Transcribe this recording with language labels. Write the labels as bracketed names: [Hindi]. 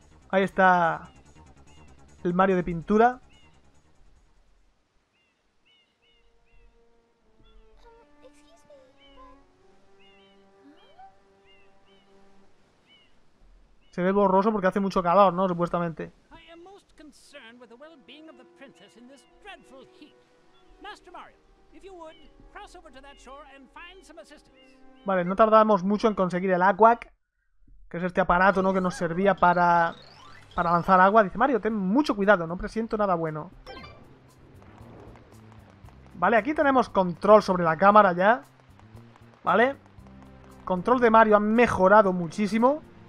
[Spanish] Ahí está el Mario de pintura. Se ve borroso porque hace mucho calor, ¿no?, supuestamente. [English] I am most concerned with the well-being of the princess in this dreadful heat. Master Mario, if you would, cross over to that shore and find some assistance. [Spanish] Vale, no tardamos mucho en conseguir el Aquac, que es este aparato, ¿no?, que nos servía para lanzar agua. Dice Mario, ten mucho cuidado, no presiento nada bueno. Vale, aquí tenemos control sobre la cámara ya. Vale, control de Mario ha mejorado muchísimo.